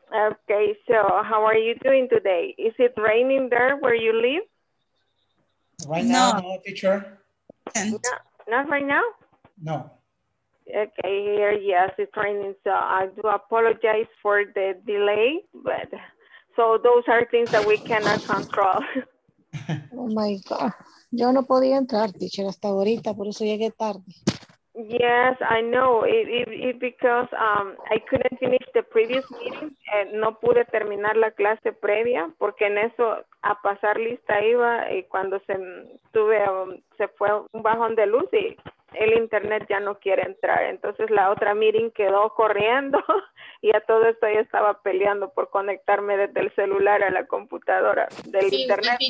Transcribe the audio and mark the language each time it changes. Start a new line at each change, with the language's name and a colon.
English: Okay, so how are you doing today? Is it raining there where you live? Right now, no, teacher. No, not right now? No. Okay, here, yes, it's raining. So I do apologize for the delay, but so those are things that we cannot control. Oh my God.
Spanish: Yo no podía entrar, teacher, hasta ahorita, por eso llegué tarde.
English: Yes, I know. It because I couldn't finish the previous meeting.
Spanish: No pude terminar la clase previa porque en eso a pasar lista iba y cuando se fue un bajón de luz y el internet ya no quiere entrar. Entonces la otra meeting quedó corriendo y a todo esto yo estaba peleando por conectarme desde el celular a la computadora del internet.